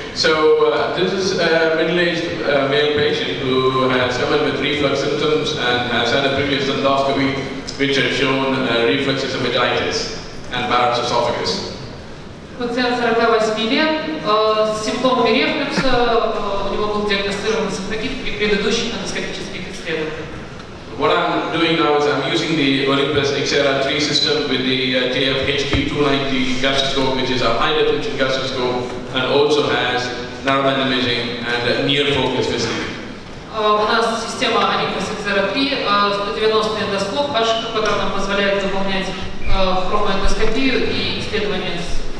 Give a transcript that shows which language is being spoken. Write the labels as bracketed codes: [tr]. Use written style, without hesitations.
[en] So, this is a middle-aged male patient who had suffered with reflux symptoms and has had a previous endoscopy which had shown reflux esophagitis and Barrett's esophagus. [ru] Пациент 48 лет, с симптомами рефлюкса, у него был диагностирован эзофагит при предыдущих эндоскопических исследованиях. [en] What I'm doing now is I'm using the Olympus XLR3 system with the JFHQ290 gastroscope, which is a high-definition gastroscope, and also has narrowband imaging and near-focus visibility. [ru] У нас система Olympus XLR3, 190 эндоскоп, пашка, который нам позволяет выполнять хромоэндоскопию и исследование с